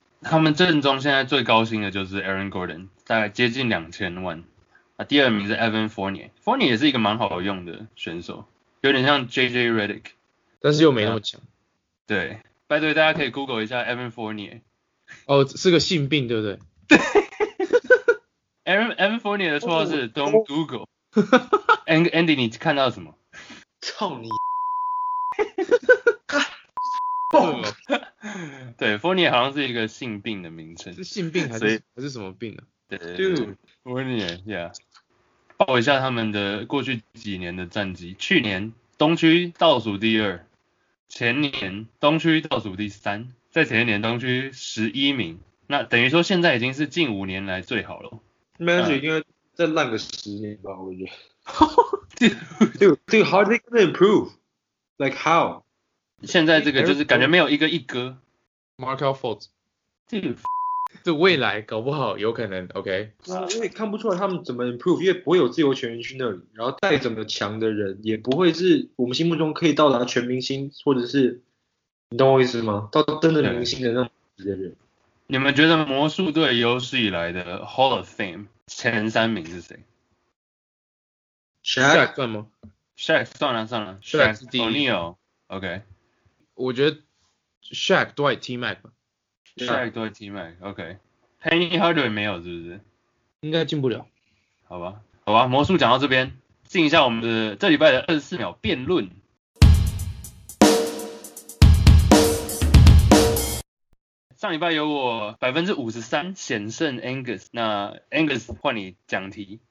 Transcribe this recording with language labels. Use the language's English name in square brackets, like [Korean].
[Chinese] 他们阵中现在最高薪的就是 Aaron Gordon， 大概接近2000万。啊，第二名是 Evan Fournier 也是一个蛮好用的选手，有点像 JJ Redick，但是又没那么强。对，拜托大家可以 Google 一下 Evan Fournier。哦，是个性病，对不对？对。 Evan Fournier 的绰号是 Don't Google。 Andy， 你看到什么？操你！对 ，Fournier 好像是一个性病的名称。是性病还是什么病呢、啊？对 ，Fournier，Yeah， 报一下他们的过去几年的战绩。去年东区倒数第二，前年东区倒数第三，在前一年东区11名，那等于说现在已经是近五年来最好了。 Magic 应该再烂个10年吧，我觉得。 [English] Dude, how are they gonna improve? Like how? [Chinese] 现在这个就是感觉没有一个一哥。 [English] Markel Fultz。 Dude。 [Chinese] 这未来搞不好有可能 ，OK？因为看不出来他们怎么 [English] improve， [Chinese] 因为不会有自由球员去那里，然后再怎么强的人也不会是我们心目中可以到达全明星，或者是你懂我意思吗？到真的明星的那种的人。你们觉得魔术队有史以来的 Hall of Fame 前3名是谁？ Shaq 算吗？Shaq 算了算了，Shaq 是第一。 [English] O'Neal，OK。 [Chinese] 我觉得 Shaq 对 T Mac 吧。 Shaq 对 T Mac，OK。Penny Hardaway 没有是不是？应该进不了。好吧，好吧，魔术讲到这边，进一下我们的这礼拜的二十四秒辩论。上礼拜有我 53% 险胜 Angus， 那 Angus 换你讲题。